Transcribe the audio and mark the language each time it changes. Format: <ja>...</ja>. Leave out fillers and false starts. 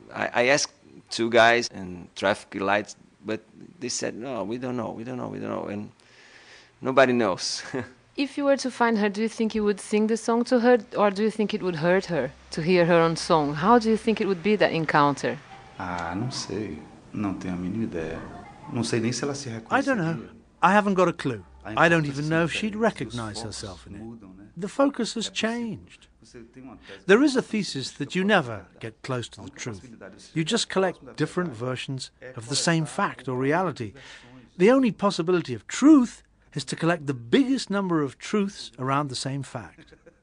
<en>I asked two guys and traffic lights, but they said, no, we don't know, and nobody knows. If you were to find her, do you think you would sing the song to her, or do you think it would hurt her to hear her own song? How do you think it would be, that encounter?</en> <pt>Não sei. Não tenho a mínima ideia. Não sei nem se ela se reconhece.</pt> <en>I don't know. I haven't got a clue. I don't even know if she'd recognize herself in it. The focus has changed. There is a thesis that you never get close to the truth. You just collect different versions of the same fact or reality. The only possibility of truth is to collect the biggest number of truths around the same fact.</en>